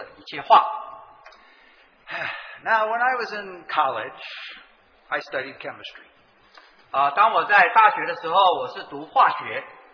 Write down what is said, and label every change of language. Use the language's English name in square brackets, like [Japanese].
[Chinese] 但保惠师就是父因我的名所要差来的圣灵，他要将一切的事指教你们，并且要叫你们想起我对你们所说的一切话。 [English] Now, when I was in college, I studied chemistry. [Chinese] 当我在大学的时候，我是读化学。